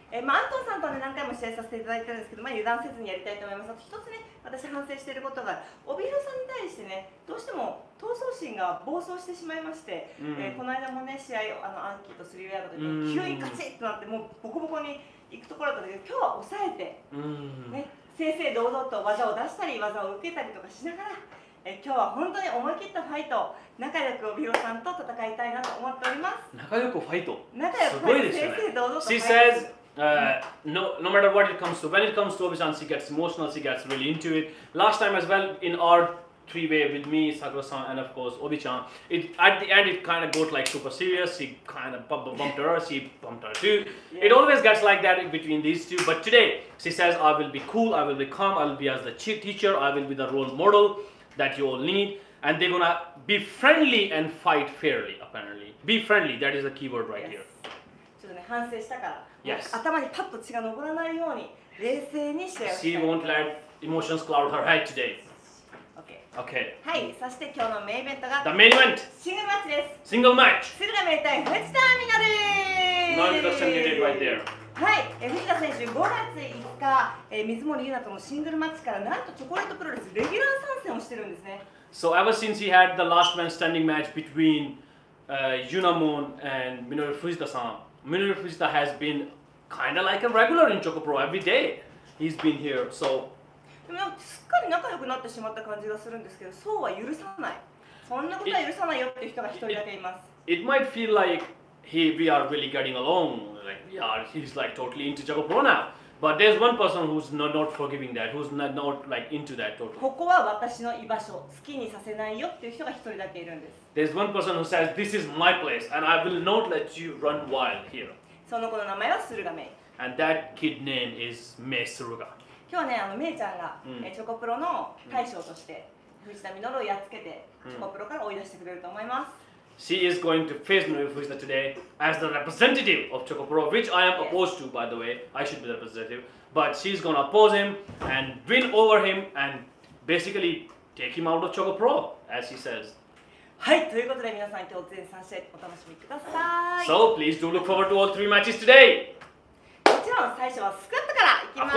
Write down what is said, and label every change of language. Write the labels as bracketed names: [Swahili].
[Japanese] まあ、アントンさんとは、ね、何回も試合させていただいてるんですけど、まあ、油断せずにやりたいと思います。あと一つね、私反省していることが、帯広さんに対してね、どうしても闘争心が暴走してしまいまして、うん、この間もね、試合をあのアンキーとスリーウェアの時に、急にカチッとなって、もうボコボコに行くところだったけど、今日は抑えて、うんね、正々堂々と技を出したり、技を受けたりとかしながら、今日は本当に思い切ったファイト、仲良く帯広さんと戦いたいなと思っております。仲良くファイト、仲良くファイト、正々堂々とファイト。 [English] No matter what it comes to, when it comes to Obi-san, she gets emotional, she gets really into it. Last time as well, in our three-way with me, Sakura-san, and of course Obi-chan, at the end it kind of got like super serious, she kind of bumped her, she bumped her too. Yeah. It always gets like that between these two, but today she says, I will be cool, I will be calm, I will be as the cheer teacher, I will be the role model that you all need. And they're gonna be friendly and fight fairly, apparently. Be friendly, that is the key word right here. [Japanese] ちょっとね、反省したから。 [English] Yes. [Japanese] 頭にパッと血が上らないように冷静に試合をしたい。 [English] She won't let emotions cloud her head today. Okay. Okay. [Japanese] はい、そして今日のメインイベントが [English] The main event! [Japanese] シングルマッチです。シングルマッチ鶴田明太フジターミナル [English] Introduction you did right there. [Japanese] はい、藤田選手5月5日、水森優奈とのシングルマッチからなんとチョコレートプロレスレギュラー参戦をしてるんですね。 [English] So ever since he had the last man standing match between Yunamon and Minoru Fujita-san,Minoru Fujita has been kind of like a regular in Choco Pro every day. He's been here, so. [Japanese] でもなんかすっかり仲良くなってしまった感じがするんですけど、そうは許さない。そんなことは許さないよっていう人が一人だけいます。 [English] It might feel like we are really getting along. Like we are, he's like totally into Jagapuro now. But there's one person who's not forgiving that, who's not like into that totally. [Japanese] ここは私の居場所、好きにさせないよっていう人が一人だけいるんです。 [English] There's one person who says, this is my place and I will not let you run wild here. [Japanese] その子の名前はスルガメイ。 [English] And that kid name is メイスルガ。 [Japanese] 今日ね、あのメイちゃんが、うん、チョコプロの大将として、うん、藤田ミノルをやっつけて、うん、チョコプロから追い出してくれると思います。 [English] She is going to face me with Fujita today as the representative of Chocopro, which I am opposed to, by the way. I should be the representative. But she's going to oppose him and win over him and basically take him out of Chocopro, as she says. [Japanese] はい、ということで皆さん今日全3試合お楽しみください。 [English] So please do look forward to all three matches today. [Japanese] もちろん最初はスクワットからいきます。